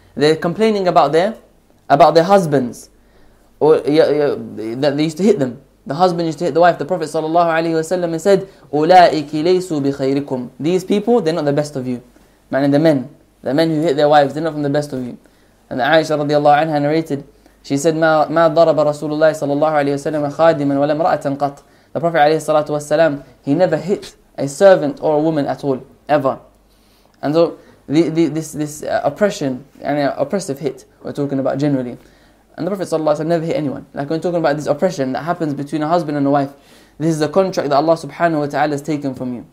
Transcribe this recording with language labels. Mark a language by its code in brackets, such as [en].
[en] They're complaining about their husbands, or that they used to hit them. The husband used to hit the wife. The Prophet sallallahu alaihi wasallam said, [ar] "أُولَئِكِ لَيْسُ بِخَيْرِكُمْ." [en] These people, they're not the best of you. Meaning the men who hit their wives, they're not from the best of you. And Aisha radiallahu anha narrated, she said, [ar] "ما ضرب رسول الله صلى الله عليه وسلم خادما ولا امرأة قط." [en] The Prophet عليه الصلاة والسلام, he never hit a servant or a woman at all, ever. And so this oppression, oppressive hit, we're talking about generally. And the Prophet صلى الله عليه وسلم never hit anyone. Like when talking about this oppression that happens between a husband and a wife, this is a contract that Allah subhanahu wa ta'ala has taken from you.